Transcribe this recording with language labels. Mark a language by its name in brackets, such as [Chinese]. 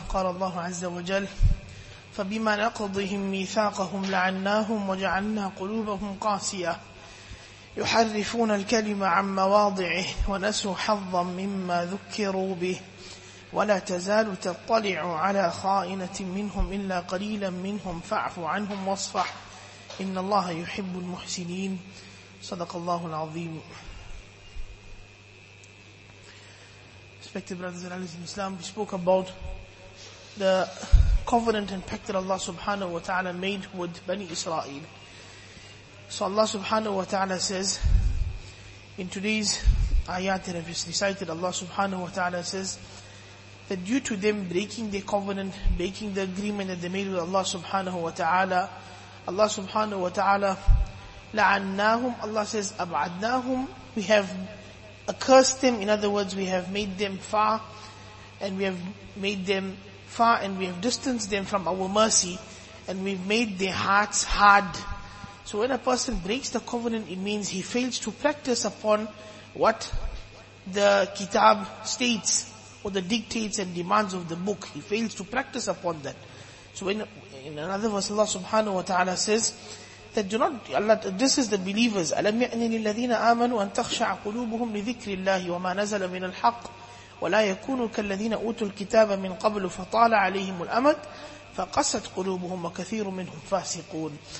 [Arabic] قال الله عز وجل: فبما نقضهم ميثاقهم لعناهم وجعلنا قلوبهم قاسية يحرفون الكلمة عن مواضعه ونسوا حظا مما ذكروا به ولا تزال تطلع على خائنة منهم إلا قليلا منهم فاعف عنهم واصفح إن الله يحب المحسنين. صدق الله العظيم. [English] Respected brothers and sisters in Islam, we spoke about the covenant and pact that Allah subhanahu wa ta'ala made with Bani Israel. So Allah subhanahu wa ta'ala says in today's ayat that I've just recited, Allah subhanahu wa ta'ala says that due to them breaking their covenant, breaking the agreement that they made with Allah subhanahu wa ta'ala, Allah subhanahu wa ta'ala, la'annahum, Allah says, ab'adnahum, we have accursed them, in other words, we have made them far, and we have made them far, and we have distanced them from our mercy, and we've made their hearts hard. So when a person breaks the covenant, it means he fails to practice upon what the kitab states, or the dictates and demands of the book. He fails to practice upon that. So in another verse, Allah subhanahu wa ta'ala says that do not, Allah, this is the believers, [Arabic] أَلَمْ يَأْنِ لِلَّذِينَ آمَنُوا أَن تَخْشَعَ قُلُوبُهُمْ لِذِكْرِ اللَّهِ وَمَا نَزَلَ مِنَ الْحَقِّ وَلَا يَكُونُوا كَالَّذِينَ أُوتُوا الْكِتَابَ مِنْ قَبْلُ فَطَالَ عَلَيْهِمُ الْأَمَدُ فَقَسَتْ قُلُوبُهُمْ وَكَثِيرٌ مِنْهُمْ فَاسِقُونَ.